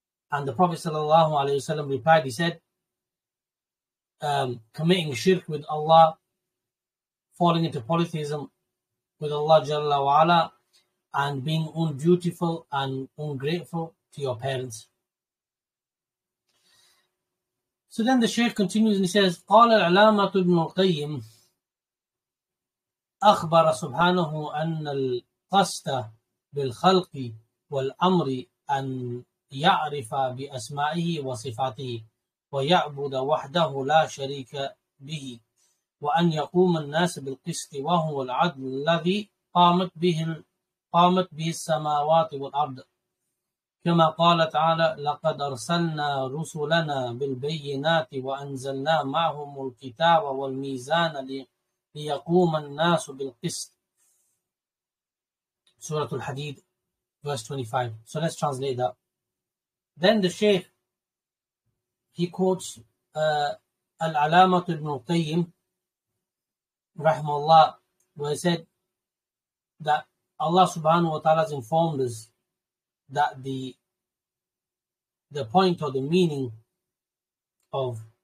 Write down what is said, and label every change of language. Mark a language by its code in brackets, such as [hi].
[en] And the Prophet sallallahu alaihi wasallam replied, he said, committing shirk with Allah, falling into polytheism with Allah Jalla wa Ala, and being undutiful and ungrateful to your parents. So then the Shaykh continues and he says, [ar] قَالَ الْعَلَامَةُ بْنُ الْقَيِّمْ أَخْبَرَ سُبْحَانَهُ أَنَّ الْقَصْدَ بِالْخَلْقِ وَالْأَمْرِ أَنْ يَعْرِفَ بِأَسْمَائِهِ وَصِفَاتِهِ وَيَعْبُدَ وَحْدَهُ لَا شَرِيكَ بِهِ وَأَنْ يَقُومَ النَّاسَ بِالْقِسْطِ وَهُوَ الْعَدْلُ الَّذِي قَامَتْ بِهِ السَّمَاوَاتِ وَالْأَرْضِ كما قال تعالى لقد أرسلنا رسلنا بالبينات وأنزلنا معهم الكتاب والميزان ليقوم الناس بالقسط. سورة الحديد [en] verse 25. So let's translate that. Then the Shaykh, he quotes العلامة ابن القيم رحمه الله, where he said that Allah subhanahu wa ta'ala has informed us that the point or the meaning of